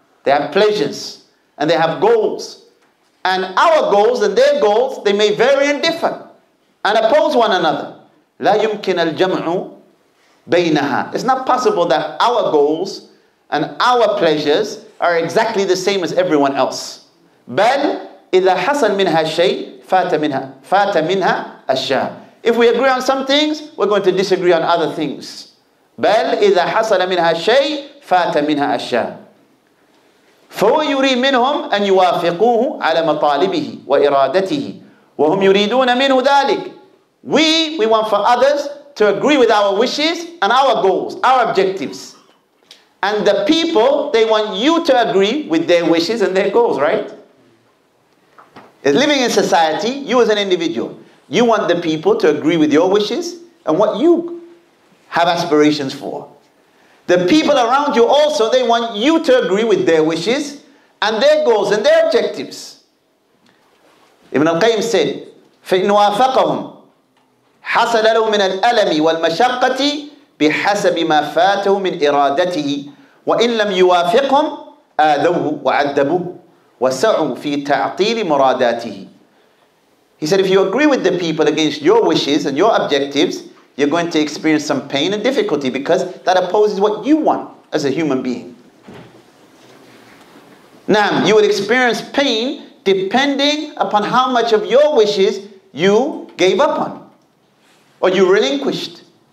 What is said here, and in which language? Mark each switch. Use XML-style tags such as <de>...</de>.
<en>They have pleasures and they have goals. And our goals and their goals, they may vary and differ and oppose one another.</en> <ar>لا يمكن الجمع بينها.</ar> <en>It's not possible that our goals and our pleasures are exactly the same as everyone else.</en> <ar>بل إذا حصل منها شيء فات منها أشياء.</ar> <en>If we agree on some things, we're going to disagree on other things.</en> <ar>بل إذا حصل منها شيء فات منها أشياء. فهو يريد منهم أن يوافقوه على مطالبه وإرادته وهم يريدون منه ذلك.</ar> <en>We want for others to agree with our wishes and our goals, our objectives. And the people, they want you to agree with their wishes and their goals, right? Living in society, you as an individual, you want the people to agree with your wishes and what you have aspirations for. The people around you also, they want you to agree with their wishes and their goals and their objectives. Ibn al-Qayyim said,</en> <ar>فَإِنْ وَافَقَهُمْ حَسَدَ لَهُ مِنَ الْأَلَمِ وَالْمَشَقَّةِ بِحَسَبِ مَا فَاتَهُ مِنْ إِرَادَتِهِ وَإِنْ لَمْ يُوَافِقْهُمْ آذَوْهُ وَعَدَّبُهُ وَسَعُوا فِي تَعْطِيلِ مُرَادَتِهِ.</ar> <en>He said, if you agree with the people against your wishes and your objectives, you're going to experience some pain and difficulty because that opposes what you want as a human being. Now, you will experience pain depending upon how much of your wishes you gave up on or you relinquished.</en>